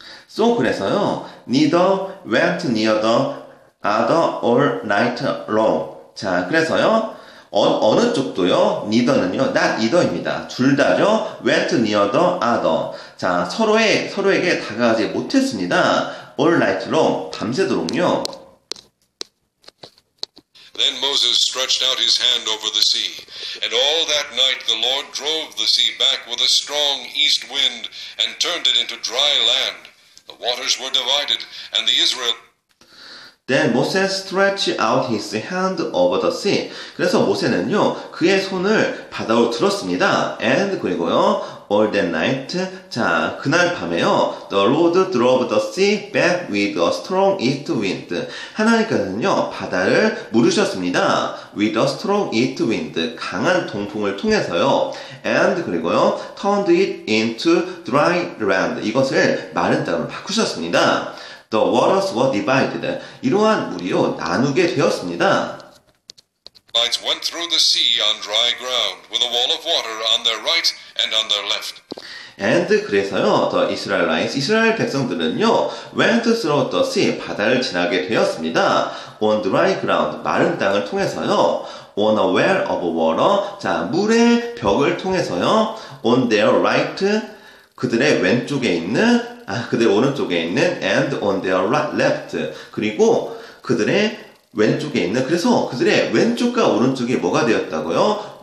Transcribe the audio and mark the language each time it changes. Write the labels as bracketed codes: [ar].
[en] So, [ko] 그래서요, [en] neither went near the other all night long. [ko] 자, 그래서요, 어느 쪽도요? neither는요, not either입니다. 둘 다죠? [en] went near the other. [ko] 자, 서로에게 다가가지 못했습니다. [en] All night long, [ko] 밤새도록요. [en] Then Moses stretched out his hand over the sea, and all that night the Lord drove the sea back with a strong east wind and turned it into dry land. The waters were divided, and the Israel... Then Moses stretched out his hand over the sea. [ko] 그래서 모세는요, 그의 손을 바다로 들었습니다. [en] And [ko] 그리고요, [en] all that night, [ko] 자, 그날 밤에요, [en] the Lord drove the sea back with a strong east wind. [ko] 하나님께서는요, 바다를 물으셨습니다. [en] With a strong east wind, [ko] 강한 동풍을 통해서요. [en] And [ko] 그리고요, [en] turned it into dry land. [ko] 이것을 마른 땅으로 바꾸셨습니다. [en] The waters were divided. [ko] 이러한 물이요, 나누게 되었습니다. [en] Israelites went through the sea on dry ground with a wall of water on their right and on their left. And [ko] 그래서요, [en] the Israelites, [ko] 이스라엘 백성들은요, [en] went through the sea, [ko] 바다를 지나게 되었습니다. [en] On dry ground, [ko] 마른 땅을 통해서요, [en] on a wall of water, [ko] 자, 물의 벽을 통해서요, [en] on their right, [ko] 그들의 왼쪽에 있는 그들 오른쪽에 있는 [en] and on their right, left [ko] 그리고 그들의 왼쪽에 있는 그래서 그들의 왼쪽과 오른쪽이 뭐가 되었다고요?